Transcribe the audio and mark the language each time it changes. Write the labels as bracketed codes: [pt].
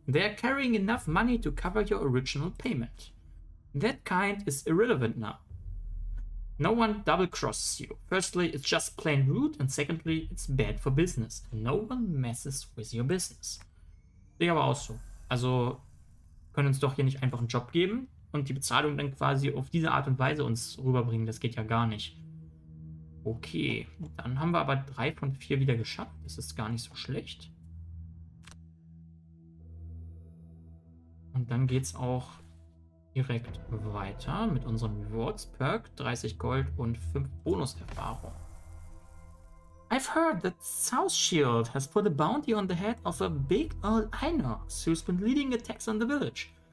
[en] They are carrying enough money to cover your original payment. That kind is irrelevant now. No one double-crosses you. Firstly, it's just plain rude, and secondly, it's bad for business. No one messes with your business. [de] Ich aber auch so. Also, können uns doch hier nicht einfach einen Job geben und die Bezahlung dann quasi auf diese Art und Weise uns rüberbringen. Das geht ja gar nicht. Okay, dann haben wir aber 3 von 4 wieder geschafft. Das ist gar nicht so schlecht. Und dann geht's auch direkt weiter mit unserem Rewards Perk, 30 Gold und 5 Bonuserfahrung. [en] I've heard that South Shield has put a bounty on the head of a big old Inox who's been leading attacks on the village.